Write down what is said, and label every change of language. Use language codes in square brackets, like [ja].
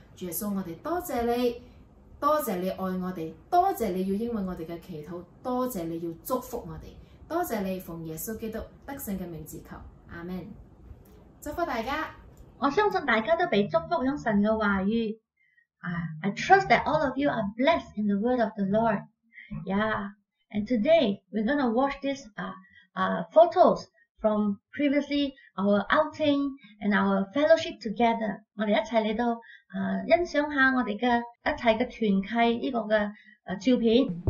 [zh] 主耶穌，我們多謝你，多謝你愛我們，多謝你要應允我們的祈禱，多謝你要祝福我們，多謝你奉耶穌基督得勝的名字求，阿門。祝福大家，我相信大家都被祝福用神的話語。 [en] I trust that all of you are blessed in the word of the Lord. Yeah. And today, we're going to watch these photos from previously our outing and our fellowship together. [zh] 我们一起来到欣赏下我们的一起的团契这个的照片。